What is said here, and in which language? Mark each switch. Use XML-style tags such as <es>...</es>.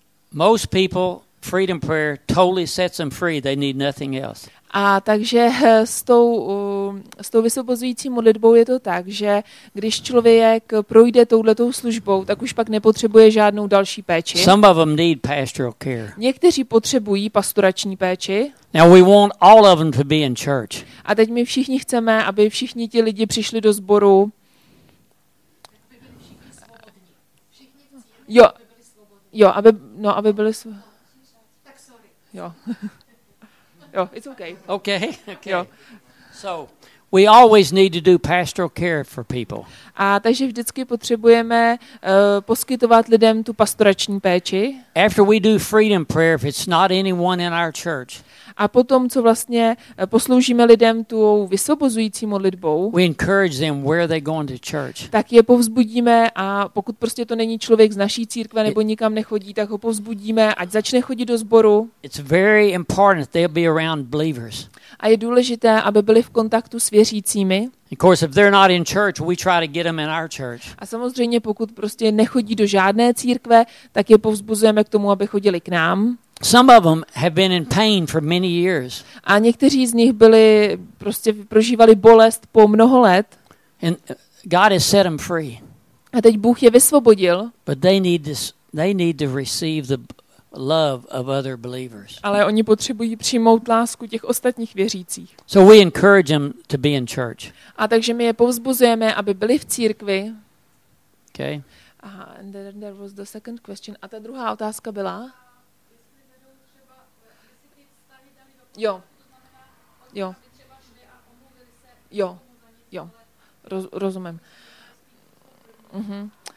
<en>Most people, freedom prayer totally sets them free. They need nothing else.</en> <cs>A takže s tou vysvobozující modlitbou je to tak, že když člověk projde touhletou službou, tak už pak nepotřebuje žádnou další péči.</cs> <en>Some of them need pastoral care.</en> <cs>Někteří potřebují pastorační péči.</cs> <en>Now we want all of them to be in church.</en> <cs>A teď my všichni chceme, aby všichni ti lidi přišli do sboru. Aby byli svobodní. Tak sorry.</cs> <en>Jo. Jo, it's okay. Okay. Jo. So, we always need to do pastoral care for people.</en> <cs>A takže vždycky potřebujeme poskytovat lidem tu pastorační péči.</cs> <en>After we do freedom prayer, if it's not anyone in our church.</en> <cs>A potom, co vlastně posloužíme lidem tu vysvobozující modlitbou,</cs> <en>we encourage them, where are they going to church?</en> <cs>Tak je povzbudíme a pokud prostě to není člověk z naší církve nebo nikam nechodí, tak ho povzbudíme, ať začne chodit do sboru.</cs> <en>It's very important they'll be around believers.</en> <cs>A je důležité, aby byli v kontaktu s věřícími.</cs> <en>Of course, if they're not in church, we try to get them in our church.</en> <cs>A samozřejmě, pokud prostě nechodí do žádné církve, tak je povzbuzujeme k tomu, aby chodili k nám.</cs> <en>Some of them have been in pain for many years.</en> <cs>A někteří z nich byli prostě prožívali bolest po mnoho let.</cs> <en>And God has set them free.</en> <cs>A teď Bůh je vysvobodil.</cs> <en>But they need to receive the love of other believers.</en> <cs>Ale oni potřebují přijmout lásku těch ostatních věřících.</cs> <en>So we encourage them to be in church.</en> <cs>A takže my je povzbuzujeme, aby byli v církvi.</cs> <en>Okay. Aha, and then there was the second question.</en> <cs>A ta druhá otázka byla? Jo. Rozumím. Uh-huh.</cs>